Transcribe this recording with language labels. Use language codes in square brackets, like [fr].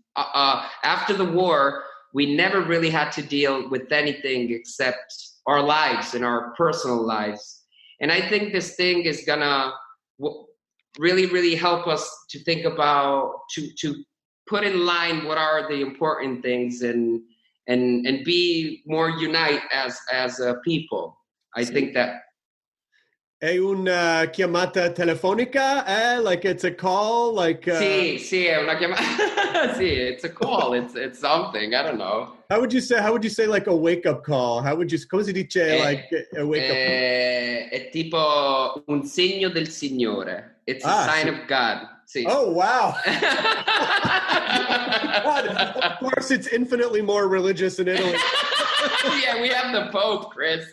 [en] After the war, we never really had to deal with anything except our lives and our personal lives. And I think this thing is gonna really, really help us to think about, to put in line what are the important things and be more unite as a people. I think that. [it] È una chiamata telefonica, eh? [en] Like it's a call, like. [it] Sì, è una chiamata. Sì, [en] it's a call. It's something. I don't know. How would you say? How would you say like a wake up call? How would you? [it] Come si dice [en] like a wake up call? [it] È tipo un segno del Signore. [en] It's a sign of God. Sì. Oh wow! God, of course, it's infinitely more religious in Italy. Yeah, we have the Pope, Chris.